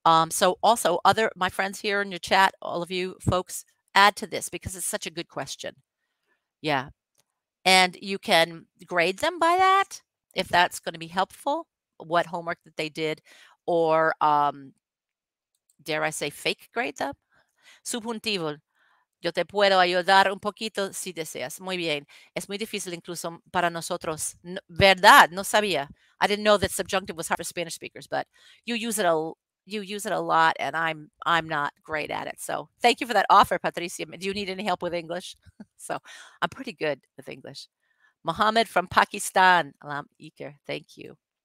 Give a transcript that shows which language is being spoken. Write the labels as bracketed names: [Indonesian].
[English] So also other my friends here in your chat, all of you folks, add to this because it's such a good question. Yeah. And you can grade them by that if that's going to be helpful, what homework that they did, or dare I say fake grade them. [Spanish] Subjuntivo. Yo te puedo ayudar un poquito si deseas. Muy bien. Es muy difícil incluso para nosotros. Verdad, no sabía. [English] I didn't know that subjunctive was hard for Spanish speakers, but you use it a lot and I'm not great at it. So thank you for that offer, Patricia. Do you need any help with English? So I'm pretty good with English. Mohammed from Pakistan. Alam Iker, thank you.